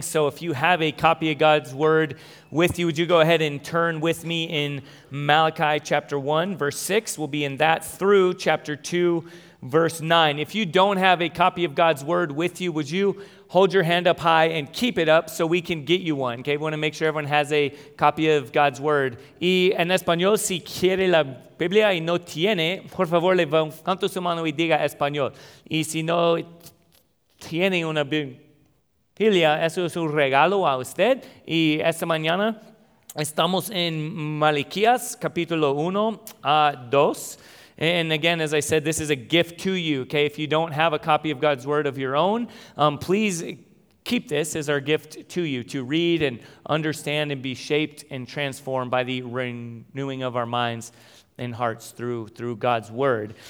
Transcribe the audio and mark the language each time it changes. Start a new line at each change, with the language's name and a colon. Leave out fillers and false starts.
English: So if you have a copy of God's word with you, would you go ahead and turn with me in Malachi chapter 1, verse 6. We'll be in that through chapter 2, verse 9. If you don't have a copy of God's word with you, would you hold your hand up high and keep it up so we can get you one? Okay. We want to make sure everyone has a copy of God's word.
Spanish: Y en español, si quiere la Biblia y no tiene, por favor, levante su mano y diga español. Y si no tiene una Biblia, eso es un regalo a usted. Y esta mañana estamos en Malaquías, capítulo 1 a 2.
English: And again, as I said, this is a gift to you, okay? If you don't have a copy of God's word of your own, please keep this as our gift to you to read and understand and be shaped and transformed by the renewing of our minds and hearts through God's word.